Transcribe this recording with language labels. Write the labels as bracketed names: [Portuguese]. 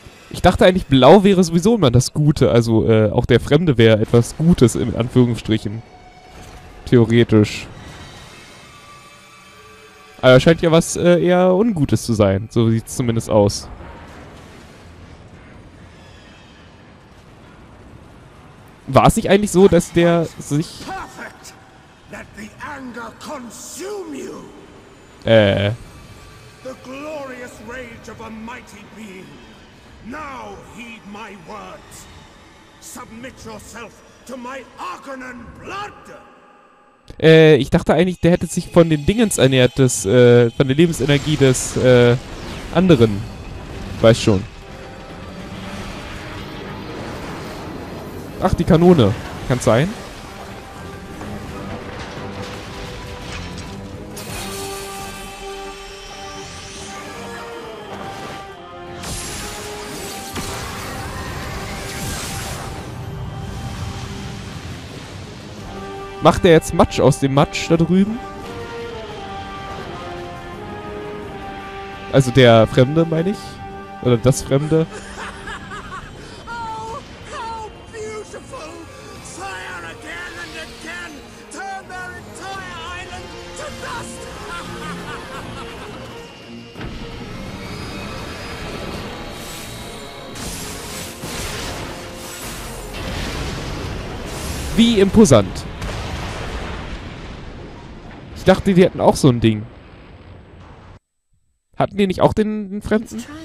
[German] Ich dachte eigentlich, blau wäre sowieso immer das Gute. Also auch der Fremde wäre etwas Gutes, in Anführungsstrichen. Theoretisch. Aber also scheint ja was eher Ungutes zu sein. So sieht's zumindest aus. War es nicht eigentlich so, dass der sich... [English] Let the anger consume you. The glorious rage of a mighty being. Now heed my words. Submit yourself to my Argonan blood. [German] Ich dachte eigentlich, der hätte sich von den Dingens ernährt, des, von der Lebensenergie des, anderen. Weiß schon. Ach, die Kanone. Kann sein. Macht er jetzt Matsch aus dem Matsch da drüben? Also der Fremde, meine ich. Oder das Fremde. [English] Oh, how beautiful! Fire again and again! Turn their entire island to dust! [German] Wie imposant. Ich dachte, die hätten auch so ein Ding. Hatten die nicht auch den Fremden?